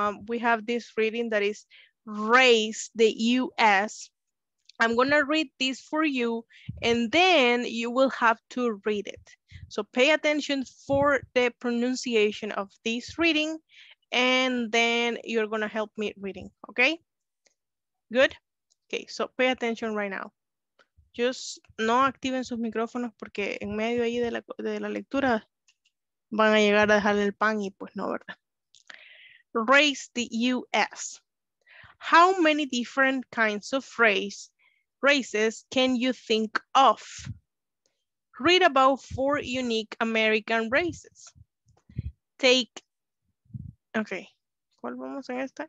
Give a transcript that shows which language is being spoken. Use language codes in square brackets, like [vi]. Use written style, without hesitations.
[en] We have this reading that is Raise the U.S. I'm going to read this for you, and then you will have to read it. So pay attention for the pronunciation of this reading, and then you're going to help me reading, okay? Good? Okay, so pay attention right now. [es] Just no activen sus micrófonos porque en medio ahí de la lectura van a llegar a dejar el pan y pues no, ¿verdad? [en] Raise the U.S. How many different kinds of races can you think of? Read about four unique American races. Take, okay, [es] ¿cuál vamos en esta?